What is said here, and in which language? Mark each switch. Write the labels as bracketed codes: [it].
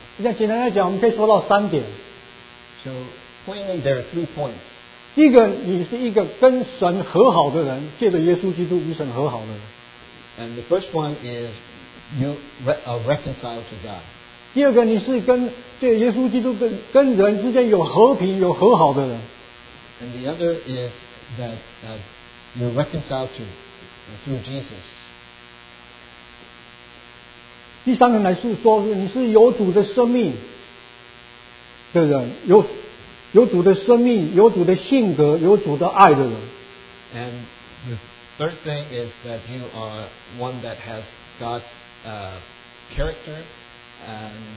[zh] 像简单来讲，我们可以说到三点。 [en] So plainly, there are three points. [zh] 第一个，你是一个跟神和好的人，借着耶稣基督与神和好的人。 [en] And the first one is you are reconciled to God. [zh] 第二个，你是跟借耶稣基督跟人之间有和平、有和好的人。 [en] And the other is that you're reconciled to through Jesus. [zh] 第三个来是说你是有主的生命的人，有主的生命，有主的性格，有主的爱的人。 [en] And the third thing is that you are one that has God's character and